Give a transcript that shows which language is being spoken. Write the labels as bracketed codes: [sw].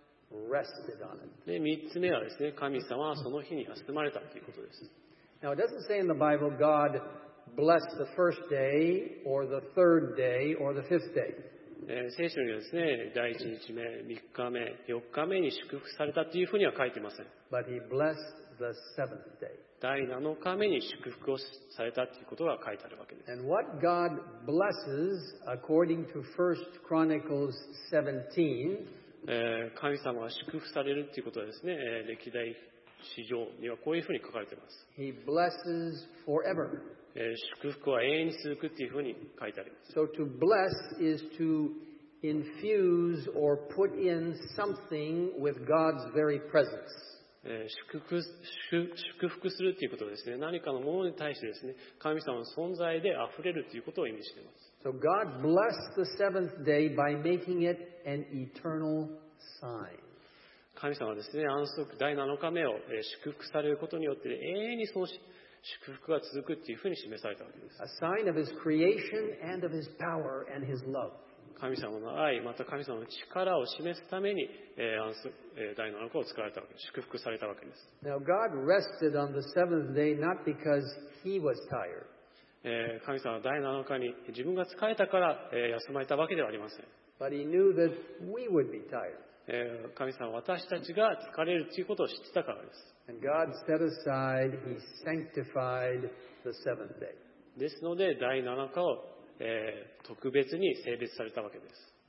[en] Rested on it. [ja] で、三つ目はですね、神様はその日に休まれたということです。 [en] Now it doesn't say in the Bible God blessed the first day or the third day or the fifth day. [ja] 聖書にはですね、第一日目、三日目、四日目に祝福されたというふうには書いていません。 [en] But he blessed the seventh day. [ja] 第七日目に祝福をされたということが書いてあるわけです。 [en] And what God blesses according to 1 Chronicles 17. [ja] 神様が祝福されるということはですね、歴代史上にはこういうふうに書かれています。 [en] He blesses forever. [ja] 祝福は永遠に続くというふうに書いてあります。 [en] So to bless is to infuse or put in something with God's very presence. [ja] 祝福するということはですね、何かのものに対してですね、神様の存在であふれるということを意味しています。 [en] So God blessed the seventh day by making it an eternal sign. [ja] 神様はですね、安息第7日目を祝福されることによって永遠にその祝福が続くというふうに示されたわけです。 [en] A sign of His creation and of His power and His love. [ja] 神様の愛、また神様の力を示すために安息第7日を使われたわけです。祝福されたわけです。 [en] Now God rested on the seventh day not because He was tired. [ja] 神様は第7日に自分が疲れたから休まれたわけではありません。 [en] But he knew that we would be tired. [ja] 神様は私たちが疲れるということを知ってたからです。 [en] And God set aside, he sanctified the seventh day. [ja] ですので第7日を特別に聖別されたわけです。